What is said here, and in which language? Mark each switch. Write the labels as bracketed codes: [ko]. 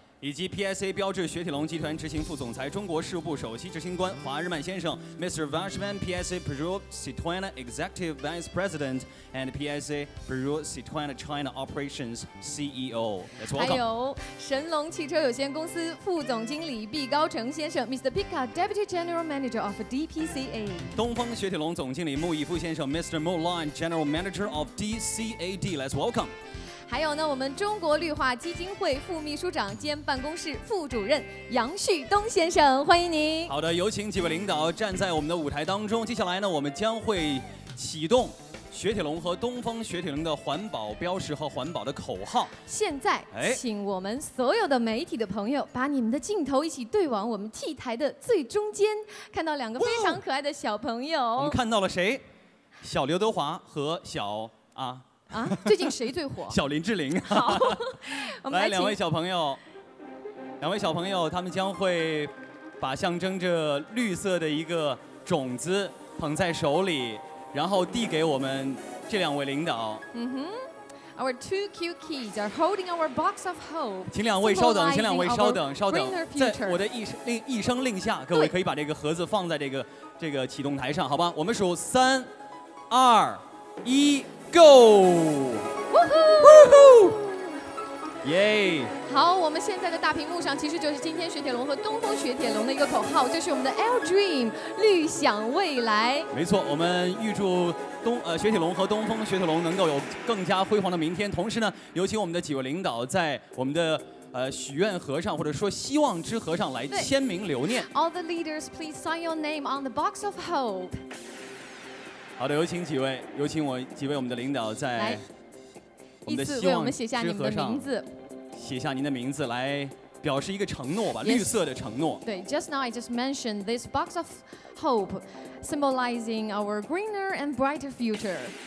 [zh] 以及 PSA 标志雪铁龙集团执行副总裁、中国事务部首席执行官华日曼先生 ，Mr. [en] Vashman PSA Peugeot Citroën Executive Vice President and PSA Peugeot Citroën China Operations CEO， [zh] 还有神龙汽车有限公司副总经理毕高成先生 ，Mr. [en] Pika Deputy General Manager of DPCA， [zh] 东风雪铁龙总经理穆义夫先生 ，Mr. [en] Mo Lin General Manager of DCAD， Let's welcome。 [zh] 还有呢，我们中国绿化基金会副秘书长兼办公室副主任杨旭东先生，欢迎您。好的，有请几位领导站在我们的舞台当中。接下来呢，我们将会启动雪铁龙和东风雪铁龙的环保标识和环保的口号。现在，请我们所有的媒体的朋友把你们的镜头一起对往我们 T 台的最中间，看到两个非常可爱的小朋友。我们看到了谁？小刘德华和小啊。啊，最近谁最火？小林志玲。好，来两位小朋友，两位小朋友，他们将会把象征着绿色的一个种子捧在手里，然后递给我们这两位领导。 [en] Our two cute kids are holding our box of hope. [zh] 请两位稍等，请两位稍等，稍等，在我的一声令下，各位可以把这个盒子放在这个启动台上，好吧？我们数3、2、1。Go！呜呼！耶！好，我们现在的大屏幕上其实就是今天雪铁龙和东风雪铁龙的一个口号，就是我们的 L Dream 绿想未来。没错，我们预祝雪铁龙和东风雪铁龙能够有更加辉煌的明天。同时呢，有请我们的几位领导在我们的许愿盒上，或者说希望之盒上来签名留念。 [en] All the leaders, please sign your name on the box of hope. [zh] 好的，有请几位，有请我几位我们的领导在我们的希望之盒上，来，依次为我们写下你们的名字，写下您的名字，来表示一个承诺吧， yes. 绿色的承诺。 [en] 对 ，just now I just mentioned this box of hope, symbolizing our greener and brighter future.